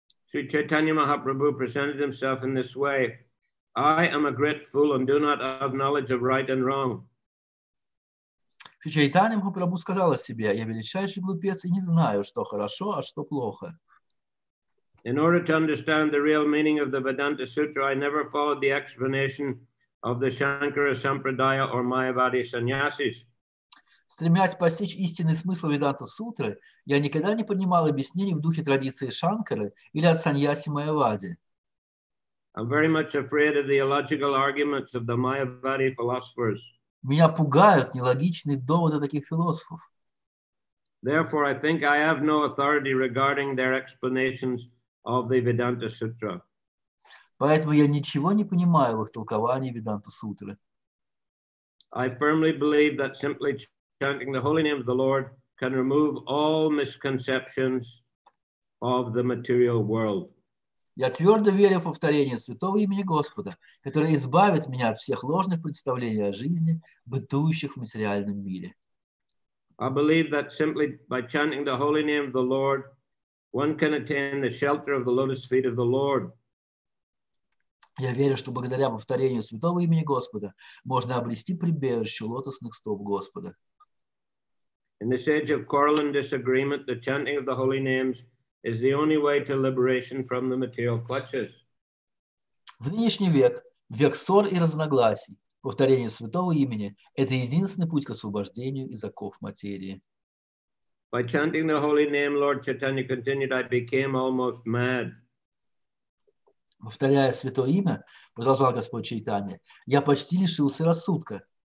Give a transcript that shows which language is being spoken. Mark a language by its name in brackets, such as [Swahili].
[English] Sri Chaitanya Mahaprabhu presented himself in this way. I am a great fool and do not have knowledge of right and wrong. [Russian] Sri Chaitanya Mahaprabhu сказал о себе, я величайший глупец и не знаю, что хорошо, а что плохо. [English] In order to understand the real meaning of the Vedanta Sutra, I never followed the explanation of the Shankara Sampradaya or Mayavadi Sannyasis. [Russian] Стремясь постичь истинный смысл Веданта Сутры, я никогда не понимал объяснений в духе традиции Шанкары или от Саньяси Майявади. [English] I'm very much afraid of the illogical arguments of the Mayavadi philosophers. [Russian] Меня пугают нелогичные доводы таких философов. [English] Therefore, I think I have no authority regarding their explanations of the Vedanta Sutra. [Russian] Поэтому я ничего не понимаю в их толковании Веданта Сутры. [English] I firmly believe that simply chanting the holy name of the Lord can remove all misconceptions of the material world. [Russian] Я твердо верю в повторение святого имени Господа, которое избавит меня от всех ложных представлений о жизни, бытующих в материальном мире. [English] I believe that simply by chanting the holy name of the Lord, one can attain the shelter of the lotus feet of the Lord. [Russian] Я верю, что благодаря повторению святого имени Господа можно обрести прибежище лотосных стоп Господа. [English] In this age of quarrel and disagreement, the chanting of the holy names is the only way to liberation from the material clutches. [Russian] В нынешний век, век ссор и разногласий, повторение святого имени – это единственный путь к освобождению из оков материи. [English] By chanting the holy name, Lord Chaitanya continued, I became almost mad. [Russian] Повторяя святое имя, продолжал Господь Чайтанья, я почти лишился рассудка.